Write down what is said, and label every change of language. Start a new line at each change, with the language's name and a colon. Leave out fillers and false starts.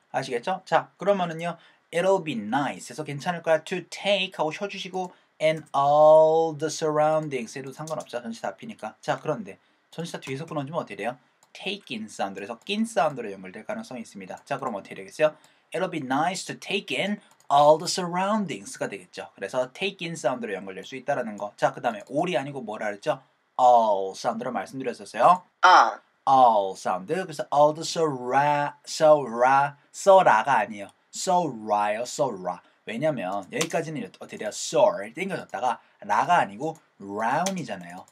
Korean: 아시겠죠? 자, 그러면은요.
English: It'll be nice
Korean: 에서 괜찮을 거야 to take 하고 쉬어 주시고
English: and all the surroundings
Korean: 해도 상관없죠. 전치사 앞이니까. 자, 그런데 전치사 뒤에서 끊어지면 어떻게 돼요? Take in 사운드에서 skin 사운드로 연결될 가능성이 있습니다. 자, 그럼 어떻게 되겠어요?
English: It'll be nice to take in all the surroundings가 되겠죠.
Korean: 그래서 take in 사운드로 연결될 수 있다라는 거. 자, 그 다음에 all이 아니고 뭐라 그랬죠? All 사운드로 말씀드렸었어요.
English: All
Korean: 사운드. 그래서
English: all the sora
Korean: 가 아니에요. sora. 왜냐면 여기까지는 어떻게 돼요? sor 땡겨졌다가 라가 아니고 round이잖아요.